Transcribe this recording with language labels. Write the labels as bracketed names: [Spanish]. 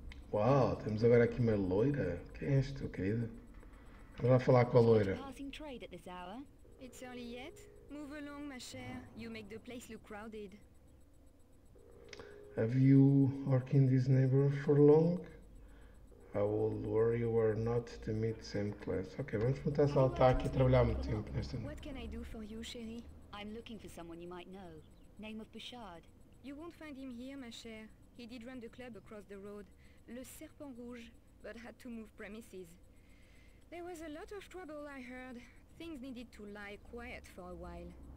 [Portuguese] Wow, temos agora aqui uma loira. Quem és tu, querida? Vamos lá falar com a loira. [English] Passing trade at this hour. It's early yet. Move along, [French] ma chère. [English] You make the place look crowded. Have you worked in this neighborhood for long? I will worry you are not to meet same class. [Portuguese] Okay, vamos perguntar se ela está aqui a trabalhar muito tempo nesta noite. [English] What can I do for you, chérie? I'm looking for someone you might know. Name of Bouchard. You won't find him here, [French] ma chère. [English] He did run the club across the road, Le Serpent Rouge, but had to move premises. There was a lot of trouble, I heard. Things needed to lie quiet for a while.